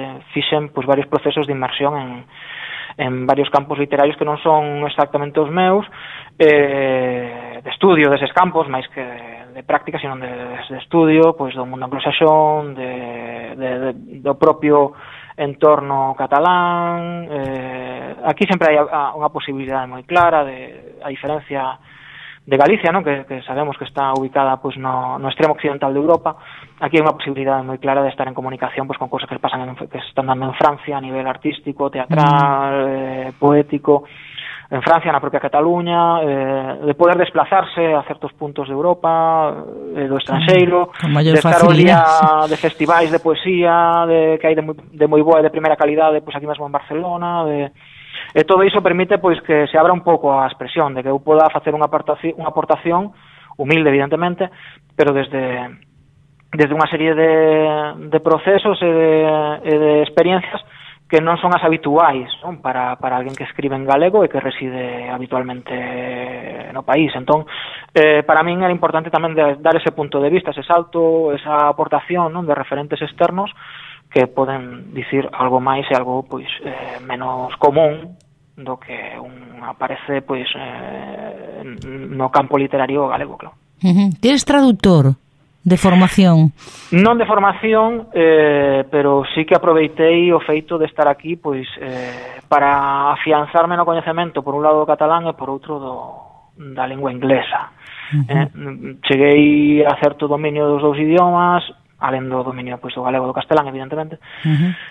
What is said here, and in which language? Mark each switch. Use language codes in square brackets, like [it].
[gl] Fixen pois varios procesos de inmersión en varios campos literarios que non son exactamente os meus, de estudio deses campos, máis que de práctica, sino de estudio pois do mundo anglosaxón, do propio entorno catalán. Aquí sempre hai unha posibilidade moi clara a diferencia de Galicia, ¿no? Que sabemos que está ubicada pues no extremo occidental de Europa. [es] Aquí hay una posibilidad muy clara de estar en comunicación pues con cosas que pasan que se están dando en Francia a nivel artístico, teatral, poético, en Francia, en la propia Cataluña, de poder desplazarse a ciertos puntos de Europa, do extranjero, de estar hoy día [gl] de festivais de poesía, [es] que hay de muy boa, de primera calidad, pues aquí mismo en Barcelona, [gl] e todo iso permite pois que se abra un pouco a expresión, de que eu poda facer unha aportación humilde, evidentemente, pero desde unha serie de procesos e de experiencias que non son as habituais, non? Para alguén que escribe en galego e que reside habitualmente no país. Entón, para min era importante tamén dar ese punto de vista, ese salto, esa aportación, non, de referentes externos que poden dicir algo máis e algo pois menos común do que un aparece pois no campo literario galego, claro. Uh-huh. Tens traductor de formación? Non de formación, pero sí que aproveitei o feito de estar aquí pois para afianzarme no coñecemento por un lado do catalán e por outro da lingua inglesa. Uh-huh. Cheguei a certo dominio dos dous idiomas, além do dominio pois do galego e do castelán, evidentemente. Uh-huh.